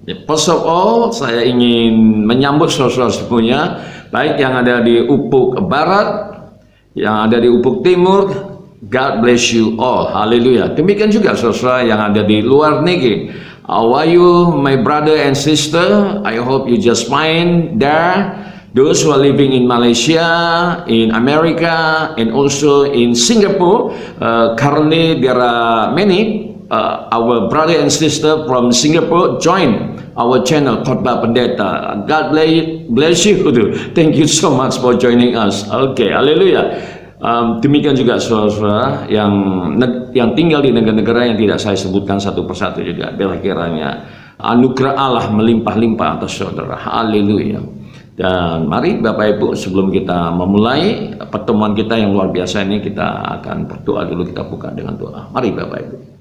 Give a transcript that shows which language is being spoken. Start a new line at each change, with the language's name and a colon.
English: First of all,
Indonesian: saya ingin menyambut saudara semuanya, baik yang ada di Upuk Barat, yang ada di Upuk Timur.
English: God bless you all,
Indonesian: haleluya. Demikian juga saudara yang ada di luar negeri.
English: How are you, my brother and sister? I hope you just fine there. Those who are living in Malaysia, in America, and also in Singapore, currently there are many our brother and sister from Singapore join our channel, Khotbah Pendeta. God bless you. Thank you so much for joining us. Okay, hallelujah.
Indonesian: Demikian juga saudara yang tinggal di negara-negara yang tidak saya sebutkan satu persatu juga. Bila kiranya anugerah Allah melimpah-limpah atas saudara. Hallelujah. Dan mari Bapak Ibu, sebelum kita memulai pertemuan kita yang luar biasa ini, kita akan berdoa dulu, kita buka dengan doa. Mari Bapak Ibu.